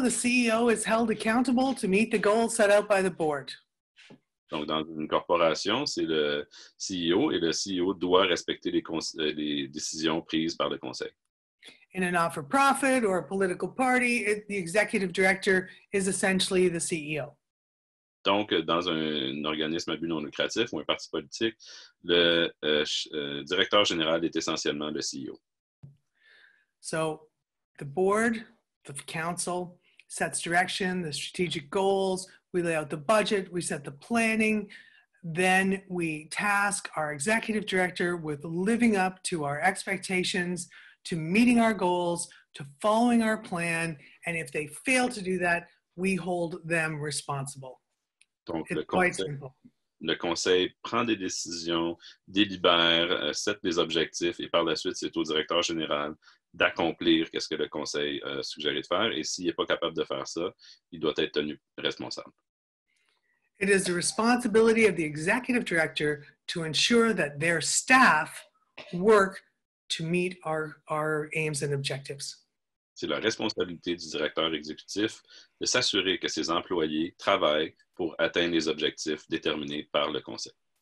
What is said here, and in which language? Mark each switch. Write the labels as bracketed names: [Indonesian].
[English] The CEO is held accountable to meet the goals set out by the board. [French] Donc, dans une corporation, c'est le CEO et le CEO doit respecter les décisions prises par le conseil. [English] In a not-for-profit or a political party, the executive director is essentially the CEO. [French] Donc, dans un organisme à but non lucratif ou un parti politique, le directeur général est essentiellement le CEO. [English] So, the board, the council, sets direction, the strategic goals, we lay out the budget, we set the planning, then we task our executive director with living up to our expectations, to meeting our goals, to following our plan, and if they fail to do that, we hold them responsible. [French] Donc, le conseil prend des décisions, délibère, set des objectifs, et par la suite, c'est au directeur général d'accomplir qu'est-ce que le conseil a suggéré de faire, et s'il n'est pas capable de faire ça, il doit être tenu responsable. [English] It is the responsibility of the executive director to ensure that their staff work to meet our aims and objectives. [French] C'est la responsabilité du directeur exécutif de s'assurer que ses employés travaillent pour atteindre les objectifs déterminés par le conseil.